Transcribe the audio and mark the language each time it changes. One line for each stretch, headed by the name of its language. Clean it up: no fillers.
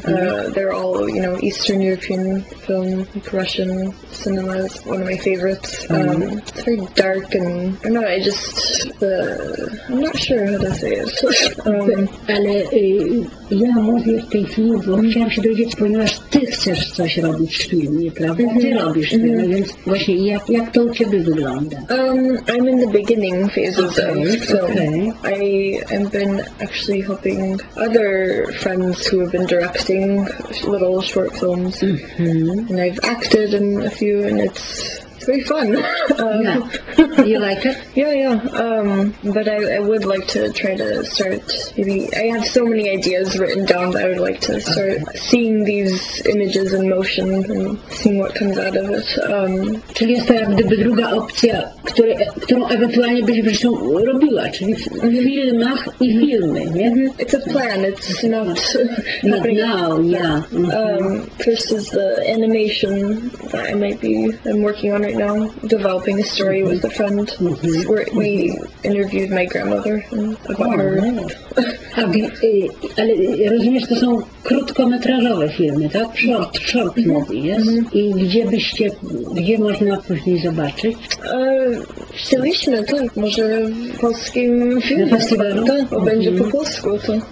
English: They're all, you know, Eastern European film, Russian cinema is one of my favorites. It's very dark and, I don't know, I'm not sure how to say it.
Polish: Ja mówię w tej chwili, bo chciałam się dowiedzieć, ponieważ ty chcesz coś robić w filmie, prawda? Ty robisz filmy, więc właśnie jak to u ciebie wygląda?
English: I'm in the beginning phases of film. I have been actually helping other friends who have been directing little short films. And I've acted in a few, and it's pretty fun. Yeah. You like it? Yeah. But I would like to try to start, maybe, I have so many ideas written down that I would like to start seeing these images in motion and seeing what comes out of it.
Polish: Czyli jest to jak gdyby druga opcja, którą ewentualnie byś zresztą robiła, czyli w filmach i filmy, nie?
English: It's a plan, it's not... Not now, yeah. First is the animation that I'm working on right now, developing a story mm-hmm. with a friend. Mm-hmm. Where we interviewed my grandmother about her.
Polish: Tak, ale rozumiesz, to są krótkometrażowe filmy, tak?
English: Short movie, yes?
Polish: Mm-hmm. I gdzie można później zobaczyć? Chcieliśmy, tak, może w polskim filmie. Na festiwalu? Tak, bo będzie po polsku, to...